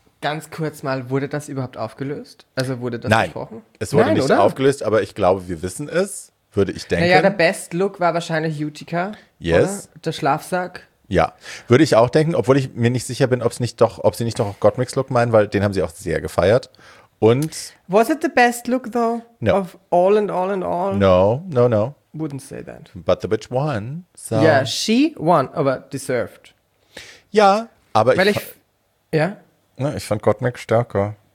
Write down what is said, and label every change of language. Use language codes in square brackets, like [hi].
[de] Ganz kurz mal, wurde das überhaupt aufgelöst? Also wurde das besprochen? Nein, es wurde nicht aufgelöst, aber ich glaube, wir wissen es, würde ich denken. Naja, der Best Look war wahrscheinlich Utica. Yes. Oder? Der Schlafsack. Ja, würde ich auch denken, obwohl ich mir nicht sicher bin, ob sie nicht doch auch Gottmik's Look meinen, weil den haben sie auch sehr gefeiert. Und [en] was it the best look though? No. Of all and all and all? No, no, no. Wouldn't say that. But the bitch won. So. Yeah, she won, aber deserved. [de] Ja, aber weil ich ich fand Gottmik stärker.